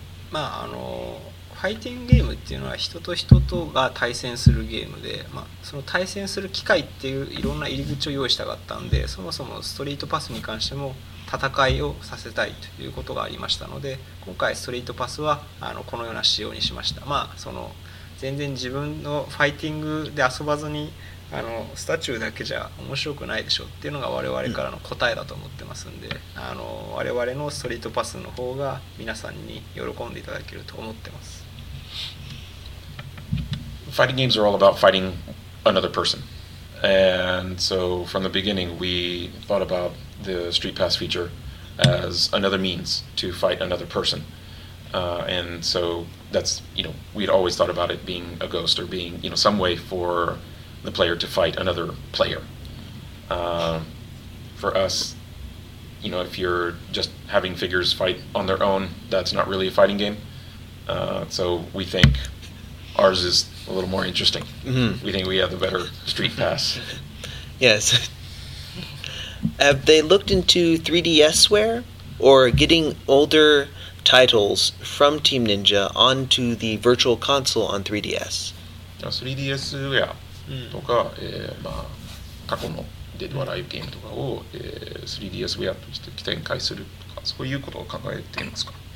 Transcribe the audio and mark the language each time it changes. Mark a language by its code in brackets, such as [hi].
[ja] まあ、ファイティングゲームっていうのは人と人とが対戦するゲームで、まあ、その対戦する機会っていういろんな入り口を用意したかったんで、そもそもストリートパスに関しても戦いをさせたいということがありましたので、今回ストリートパスはこのような仕様にしました。まあ、その全然自分のファイティングで遊ばずにスタチューだけじゃ面白くないでしょっていうのが我々からの答えだと思ってますんで、我々のストリートパスの方が皆さんに喜んでいただけると思ってます。 [en] Fighting games are all about fighting another person. And so from the beginning we thought about the Street Pass feature as another means to fight another person. And so that's, you know, we'd always thought about it being a ghost or being, you know, some way for the player to fight another player. For us, you know, if you're just having figures fight on their own, that's not really a fighting game. So we think ours is a little more interesting. Mm-hmm. We think we have the better Street Pass. Yes. Have they looked into 3DSware or getting older titles from Team Ninja onto the virtual console on 3DS? 3DSware. [ja] とか、まあ、過去のデッドアライブゲームとかを、3DS ウェアとして展開するとか、そういうことを考えていますか？